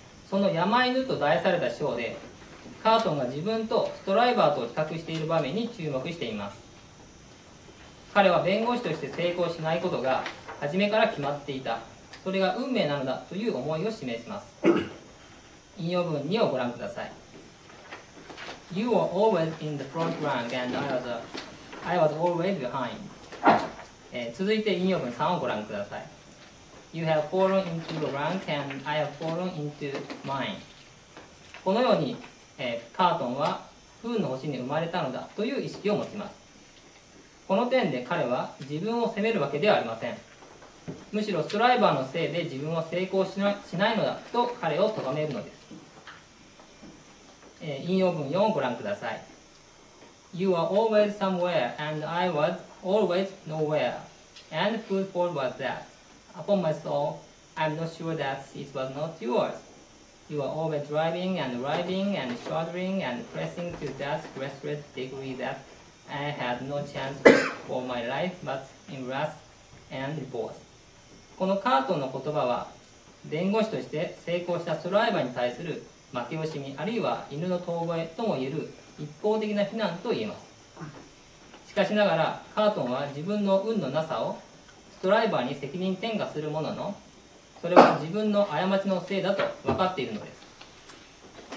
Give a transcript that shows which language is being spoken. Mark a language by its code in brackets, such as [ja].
[ja] その山犬と題された章でカートンが自分とストライバーと比較している場面に注目しています。彼は弁護士として成功しないことが初めから決まっていた、それが運命なのだという思いを示します。引用文2をご覧ください。 [en] You were always in the front rank and I was always behind. [ja] 続いて引用文3をご覧ください。 [en] You have fallen into the rank and I have fallen into mine. [ja] このように、カートンは不運の星に生まれたのだという意識を持ちます。この点で彼は自分を責めるわけではありません。むしろストライバーのせいで自分は成功しないのだと彼を咎めるのです。引用文4をご覧ください。 [en] You are always somewhere and I was always nowhere. And whose fault was that? Upon my soul, I'm not sure that it was not yours. You are always driving and arriving and shuddering and pressing to that restless degree that I had no chance for my life but in wrath and divorce. [ja] このカートンの言葉は、弁護士として成功したストライバーに対する負け惜しみ、あるいは犬の遠吠えとも言える一方的な非難と言えます。しかしながら、カートンは自分の運のなさをストライバーに責任転嫁するものの、それは自分の過ちのせいだと分かっているのです。